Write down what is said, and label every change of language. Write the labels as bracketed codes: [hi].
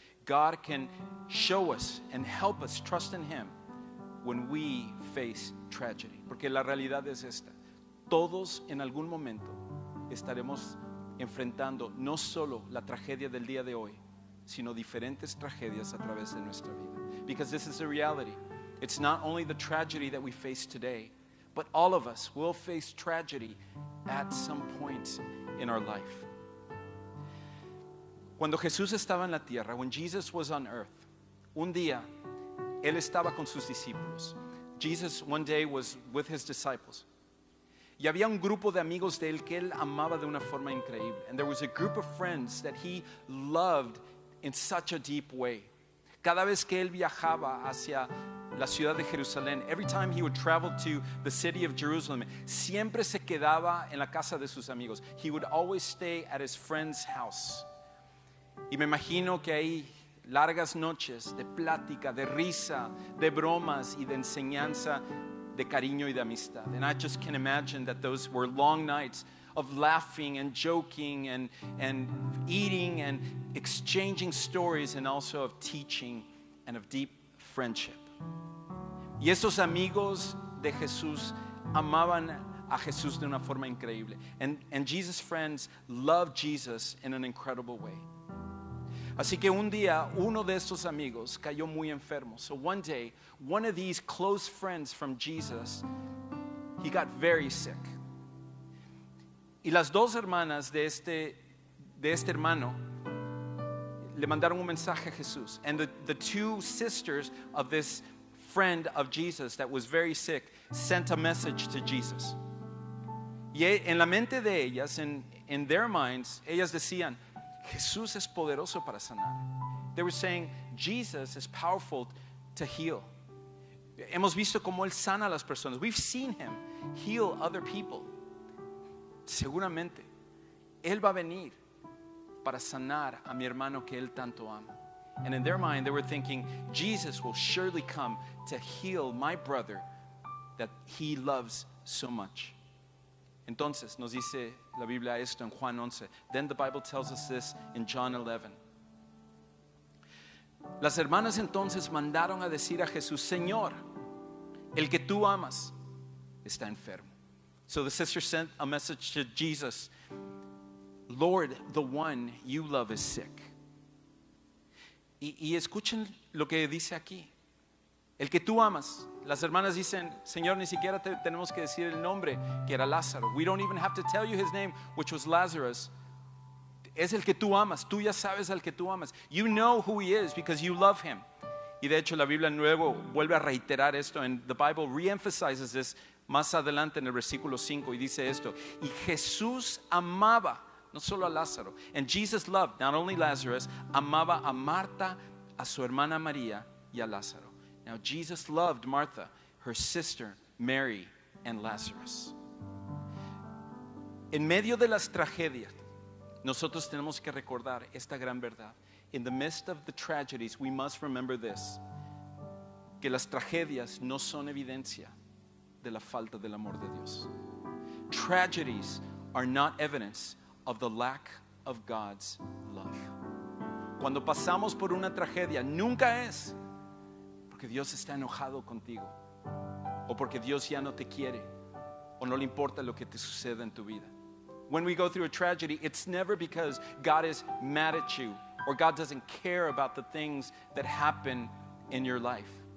[en] God can show us and help us trust in Him when we face tragedy. [es] Porque la realidad es esta. Todos en algún momento estaremos enfrentando no solo la tragedia del día de hoy, sino diferentes tragedias a través de nuestra vida. [en] Because this is the reality. It's not only the tragedy that we face today, but all of us will face tragedy at some point in our life. [es] Cuando Jesús estaba en la tierra, [en] when Jesus was on earth, [es] un día, Él estaba con sus discípulos. [en] Jesus one day was with His disciples. [es] Y había un grupo de amigos de Él que Él amaba de una forma increíble. [en] And there was a group of friends that He loved in such a deep way. [es] Cada vez que Él viajaba hacia la ciudad de Jerusalén, [en] every time He would travel to the city of Jerusalem, [es] siempre se quedaba en la casa de sus amigos. [en] He would always stay at His friend's house. [es] Y me imagino que ahí largas noches de plática, de risa, de bromas y de enseñanza de cariño y de amistad. [en] And I just can imagine that those were long nights of laughing and joking and eating and exchanging stories and also of teaching and of deep friendship. [es] Y esos amigos de Jesús amaban a Jesús de una forma increíble. [en] And Jesus' friends loved Jesus in an incredible way. [es] Así que un día uno de estos amigos cayó muy enfermo. [en] So one day, one of these close friends from Jesus, he got very sick. [es] Y las dos hermanas de este hermano le mandaron un mensaje a Jesús. [en] And the two sisters of this friend of Jesus that was very sick sent a message to Jesus. [es] Y en la mente de ellas, [en] in their minds, [es] ellas decían, Jesús es poderoso para sanar. [en] They were saying, Jesus is powerful to heal. [es] Hemos visto cómo Él sana a las personas. [en] We've seen Him heal other people. [es] Seguramente, Él va a venir para sanar a mi hermano que Él tanto ama. [en] And in their mind, they were thinking, Jesus will surely come to heal my brother that He loves so much. [es] Entonces, nos dice la Biblia esto en Juan 11. [en] Then the Bible tells us this in John 11. [es] Las hermanas entonces mandaron a decir a Jesús, Señor, el que tú amas está enfermo. [en] So the sister sent a message to Jesus. Lord, the one you love is sick. [es] Y escuchen lo que dice aquí. El que tú amas. Las hermanas dicen, Señor, ni siquiera tenemos que decir el nombre, que era Lázaro. [en] We don't even have to tell you his name, which was Lazarus. [es] Es el que tú amas. Tú ya sabes al que tú amas. [en] You know who he is because you love him. [es] Y de hecho la Biblia nuevo vuelve a reiterar esto. [en] And the Bible reemphasizes this [es] más adelante en el versículo 5 y dice esto. Y Jesús amaba no solo a Lázaro. [en] And Jesus loved not only Lazarus, [es] amaba a Marta, a su hermana María y a Lázaro. [en] Now Jesus loved Martha, her sister Mary, and Lazarus. [es] En medio de las tragedias, nosotros tenemos que recordar esta gran verdad. [en] In the midst of the tragedies, we must remember this, [es] que las tragedias no son evidencia de la falta del amor de Dios. [en] Tragedies are not evidence of the lack of God's love. [es] Cuando pasamos por una tragedia, nunca es porque Dios está enojado contigo, o porque Dios ya no te quiere, o no le importa lo que te sucede en tu vida. [en] When we go through a tragedy, it's never because God is mad at you or God doesn't care about the things that happen in your life.